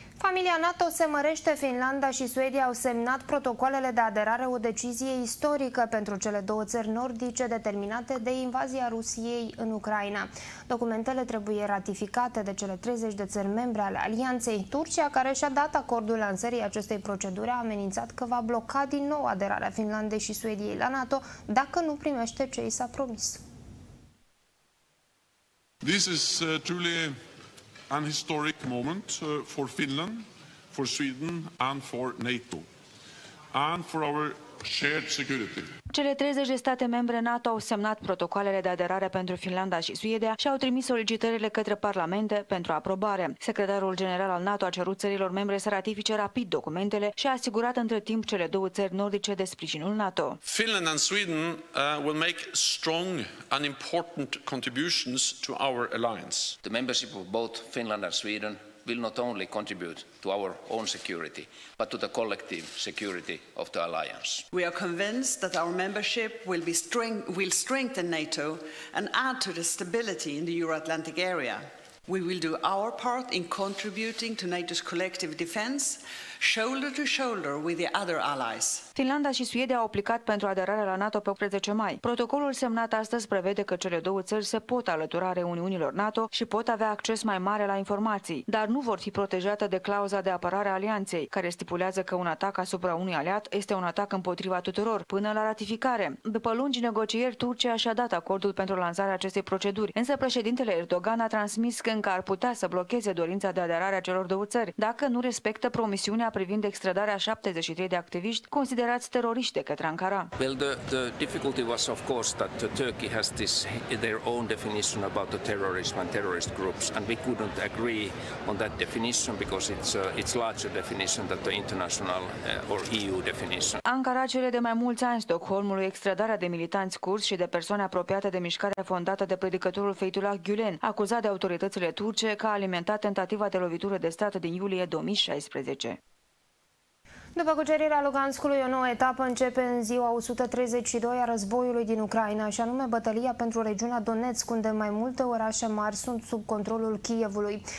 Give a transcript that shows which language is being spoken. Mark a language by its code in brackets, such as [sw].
[ro] familia NATO se mărește, Finlanda și Suedia au semnat protocoalele de aderare, o decizie istorică pentru cele două țări nordice determinate de invazia Rusiei în Ucraina. Documentele trebuie ratificate de cele 30 de țări membre ale Alianței. Turcia, care și-a dat acordul lansării acestei proceduri, a amenințat că va bloca din nou aderarea Finlandei și Suediei la NATO dacă nu primește ce i s-a promis. [en] This is truly an historic moment for Finland, for Sweden and for NATO and for our shared security. [ro] Cele 30 de state membre NATO au semnat protocoalele de aderare pentru Finlanda și Suedia și au trimis solicitările către parlamente pentru aprobare. Secretarul general al NATO a cerut țărilor membre să ratifice rapid documentele și a asigurat între timp cele două țări nordice de sprijinul NATO. [en] Finland and Sweden will make strong and important contributions to our alliance. The membership of both Finland and Sweden will not only contribute to our own security, but to the collective security of the alliance. We are convinced that our membership will strengthen NATO and add to the stability in the Euro-Atlantic area. We will do our part in contributing to NATO's collective defense, shoulder to shoulder with the other allies. [ro] Finlanda și Suedia au aplicat pentru aderarea la NATO pe 18 mai. Protocolul semnat astăzi prevede că cele două țări se pot alătura reuniunilor NATO și pot avea acces mai mare la informații, dar nu vor fi protejate de clauza de apărare a alianței, care stipulează că un atac asupra unui aliat este un atac împotriva tuturor, până la ratificare. După lungi negocieri, Turcia și-a dat acordul pentru lansarea acestei proceduri, însă președintele Erdogan a transmis că încă ar putea să blocheze dorința de aderare a celor două țări, dacă nu respectă promisiunea privind extradarea 73 de activiști considerați teroriști de către Ankara. [en] Well, the difficulty was of course that Turkey has this their own definition about the terrorism and terrorist groups, and we couldn't agree on that definition because it's larger definition than the international or EU definition. [ro] Ankara cere de mai mulți ani Stockholmului extradarea de militanți curzi și de persoane apropiate de mișcarea fondată de predicătorul Fethullah Gülen, acuzat de autoritățile turce că a alimentat tentativa de lovitură de stat din iulie 2016. După cucerirea Luganskului, o nouă etapă începe în ziua 132 a războiului din Ucraina, și anume bătălia pentru regiunea Donetsk, unde mai multe orașe mari sunt sub controlul Kievului.